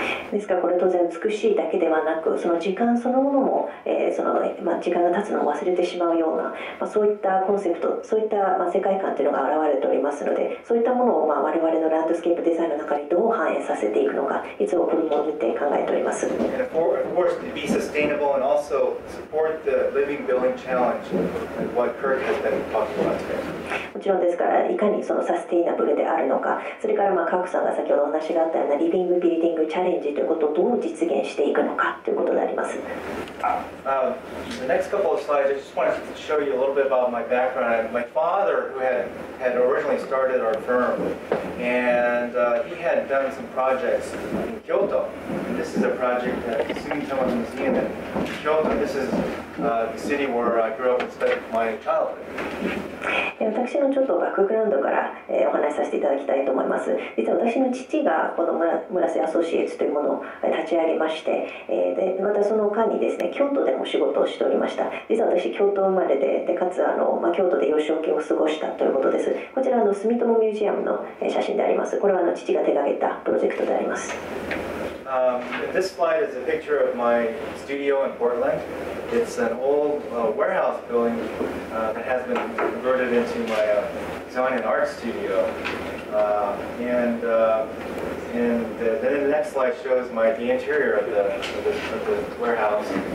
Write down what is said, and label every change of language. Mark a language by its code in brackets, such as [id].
[ja] ですからこれ当然美しいだけではなく、その時間そのものも、時間が経つのを忘れてしまうような、そういったコンセプト、そういった世界観というのが現れておりますので、そういったものを我々のランドスケープデザインの中にどう反映させていくのか、いつもこれも見て考えております。 [en] And of course to be sustainable and also support the living building challenge what Kirk has been talking about today. [ja] もちろんですから、いかにそのサステイナブルであるのか、それからカークさんが先ほどお話があったようなリビングビルディングチャレンジということをどう実現していくのかということであります。 [en] The next couple of slides, I just wanted to show you a little bit about my background. My father, who had originally started our firm, and he had done some projects in Kyoto. And this is a project at the Sumitomo Museum in Kyoto. This is the city where I grew up and spent my childhood. [ja] 私のちょっとバックグラウンドから、お話しさせていただきたいと思います。実は私の父がこの村瀬アソシエツというものを立ち上げまして、でまたその間にですね、京都でも仕事をしておりました。実は私京都生まれ でかつ京都で幼少期を過ごしたということです。こちらの住友ミュージアムの写真であります。これは父が手がけたプロジェクトであります。 [en] This slide is a picture of my studio in Portland. It's an old warehouse building that has been converted into my design and art studio. Then the next slide shows the interior of the warehouse.